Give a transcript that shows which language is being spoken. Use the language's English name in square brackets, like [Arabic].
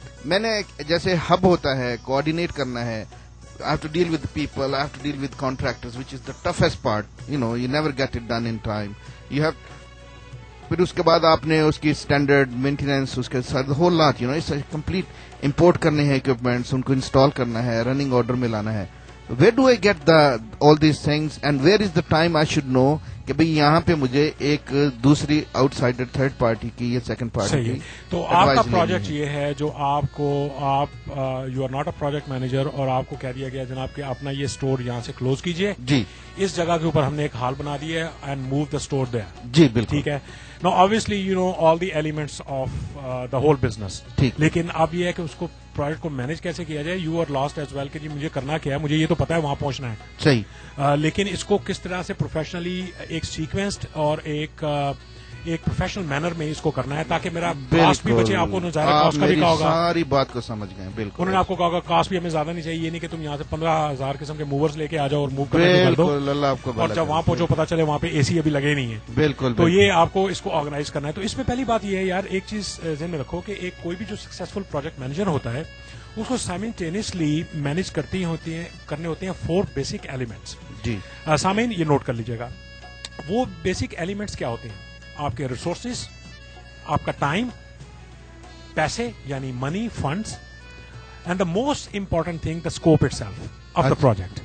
[Urdu] میں نے جیسے ہب ہوتا ہے, کوآرڈینیٹ کرنا ہے, [English] I have to deal with people, I have to deal with contractors, which is the toughest part. You know, you never get it done in time. You have... [Urdu] پھر اس کے بعد آپ نے اس کی اسٹینڈرڈ مینٹیننس, اس کے ساتھ [English] the whole lot, you know, it's a complete [Urdu] import کرنے ہیں اکوپمنٹس, ان کو انسٹال کرنا ہے, رننگ آرڈر میں لانا ہے. [English] Where do I get the all these things and where is the time I should know [Urdu] کہ بھائی یہاں پہ مجھے ایک دوسری آؤٹ سائڈر تھرڈ پارٹی کی [English] یا second party کی؟ [Urdu] تو آپ کا پروجیکٹ یہ ہے جو آپ کو, آپ [English] you are not a project manager, [Urdu] اور آپ کو کہہ دیا گیا جناب کہ اپنا یہ اسٹور یہاں سے کلوز کیجئے. جی, اس جگہ کے اوپر ہم نے ایک ہال بنا دی ہے, [English] And move the store there. [Urdu] جی بالکل, ٹھیک ہے. [English] no obviously you know all the elements of the whole business, [Urdu] ٹھیک, لیکن اب یہ ہے کہ اس کو پروجیکٹ کو مینج کیسے کیا جائے. [English] you are lost as well [Urdu] کہ جی مجھے کرنا کیا ہے, مجھے یہ تو پتا ہے وہاں پہنچنا ہے, صحیح, لیکن اس کو کس طرح سے پروفیشنلی ایک سیکوینسڈ اور ایک پروفیشنل مینر میں اس کو کرنا ہے تاکہ میرا کاسٹ بھی بچے. آپ کو انہوں نے ساری بات کو سمجھ گئے, بالکل. انہوں نے آپ کو کہا ہوگا کاسٹ بھی ہمیں زیادہ نہیں چاہیے, یہ نہیں کہ تم یہاں سے 15,000 قسم کے موورز لے کے آ جاؤ اور موو کر دو, اور جب وہاں پہنچو پتا چلے وہاں پہ اے سی ابھی لگے نہیں ہے. بالکل, تو یہ آپ کو اس کو آرگنائز کرنا ہے. تو اس میں پہلی بات یہ ہے یار, ایک چیز ذہن میں رکھو کہ ایک کوئی بھی جو سکسیسفل پروجیکٹ مینیجر ہوتا ہے اس کو سائمنٹینیسلی مینج کرنے ہوتے ہیں [English] 4 basic elements. [Urdu] جی سامعین یہ نوٹ کر لیجیے گا, وہ بیسک ایلیمنٹس کیا ہوتے ہیں؟ آپ کے ریسورسز, آپ کا ٹائم, پیسے یعنی منی, funds, [English] And the most important thing the scope itself of the project.